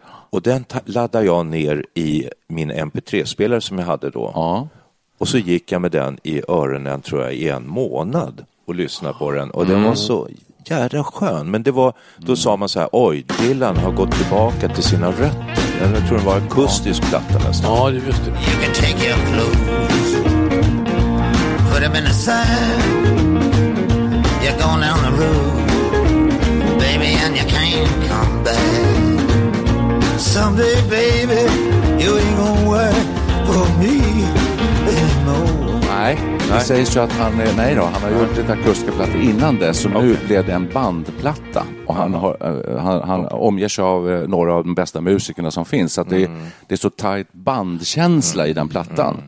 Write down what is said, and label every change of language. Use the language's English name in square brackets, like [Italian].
[Swedish] Och den laddade jag ner i min MP3-spelare som jag hade då. Ja. Och så gick jag med den i öronen, tror jag, i en månad och lyssnade på den. Och den var så... jävla skön, men det var då sa man så här: oj, Dylan har gått tillbaka till sina rötter. Jag tror den var akustisk platta nästan. Ja, det är just det. [English] You can take your clothes, put them in the sand. You're going down the road, baby, and you can't come back. Someday, baby, you ain't gonna work for me anymore. [Swedish] Nej, det sägs ju att han är, nej då, han har gjort ett akustiska platta innan dess, som nu blev det en bandplatta. Och han omger sig av några av de bästa musikerna som finns. Så att det är så tajt bandkänsla i den plattan.